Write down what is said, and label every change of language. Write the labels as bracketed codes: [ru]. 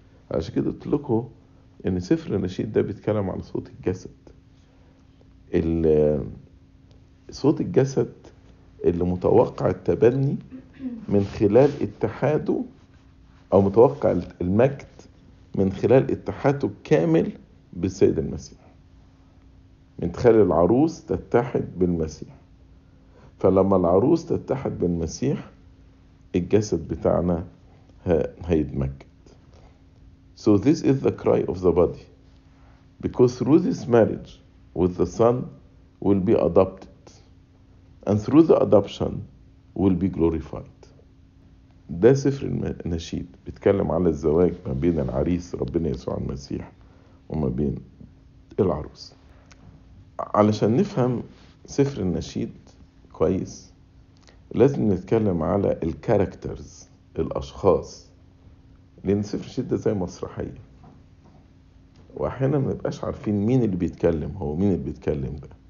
[ar] عشان كده اطلقه ان سفر النشيد ده بيتكلم عن صوت الجسد، صوت الجسد اللي متوقع التبني من خلال اتحاده، او متوقع المجد من خلال اتحاده الكامل بالسيد المسيح، من خلال العروس تتحد بالمسيح. فلما العروس تتحد بالمسيح الجسد بتاعنا هيتمجد. [en] So this is the cry of the body because through this marriage with the son will be adopted and through the adoption will be glorified. [ar] ده سفر النشيد بيتكلم على الزواج ما بين العريس ربنا يسوع المسيح وما بين العروس. علشان نفهم سفر النشيد كويس لازم نتكلم على الكاركترز، الأشخاص، لأن سفر النشيد زي مسرحية وأحيانا ما نبقاش عارفين مين اللي بيتكلم هو مين اللي بيتكلم ده.